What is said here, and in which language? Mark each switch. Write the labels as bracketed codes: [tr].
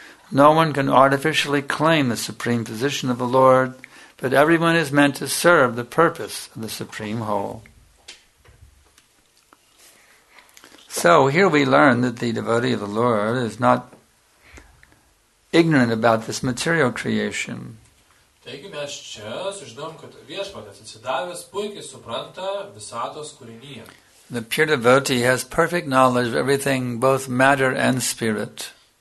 [en] No one can artificially claim the supreme position of the Lord, but everyone is meant to serve the purpose of the Supreme Whole. So here we learn that the devotee of the Lord is not ignorant about this material creation. [lt] Taigi mes čia sužinom, kad viešpatas atsidavęs puikiai supranta visatos kūrinyje. [en] The pure devotee has perfect knowledge of everything, both matter and spirit.